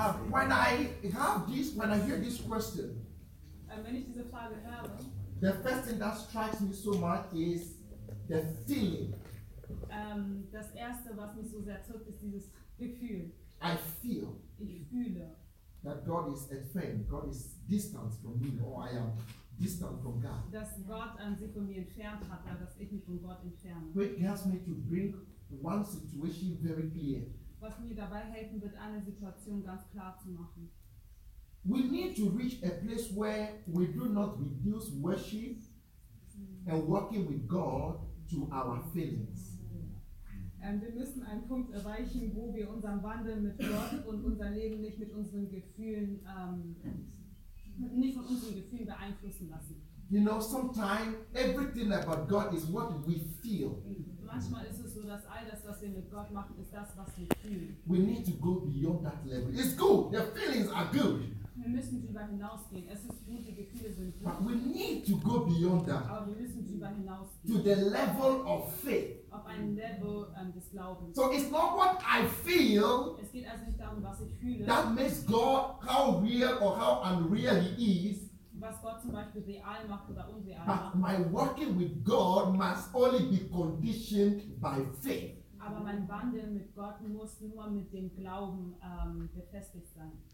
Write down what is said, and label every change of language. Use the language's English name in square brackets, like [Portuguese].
[English] When I hear this question, the first thing that strikes me so much is the feeling. [German] Das erste, was mich so sehr zuckt, ist dieses Gefühl. [English] I feel. [German] Ich fühle. [English] That God is a friend. God is distant from me, or I am distant from God. [German] Dass Gott an sich von mir entfernt hat, dass ich mich von Gott entferne. [English] Which helps me to bring one situation very clear. [German] Was mir dabei helfen wird, eine Situation ganz klar zu machen. [English] We need to reach a place where we do not reduce worship and working with God to our feelings. [German] Wir müssen einen Punkt erreichen, wo wir unseren Wandel mit Gott und unser Leben nicht mit unseren Gefühlen nicht von unseren Gefühlen beeinflussen lassen. [English] You know, sometimes everything about God is what we feel. [German] Manchmal ist es so, dass all das, was wir mit Gott machen, ist das, was wir fühlen. [English] We need to go beyond that level. It's good. The feelings are good. [German] Wir müssen darüber hinausgehen. Es ist gut, die Gefühle sind gut. [English] But we need to go beyond that. [German] Aber wir müssen darüber hinausgehen. [English] To the level of faith. [German] Auf einen Level des Glaubens. [English] So it's not what I feel. [German] Es geht also nicht darum, was ich fühle. [English] That makes God how real or how unreal He is. [German] Was Gott zum Beispiel real macht oder unreal macht. [English] But my working with God must only be conditioned by faith. [German] Aber mein Wandel mit Gott muss nur mit dem Glauben befestigt sein.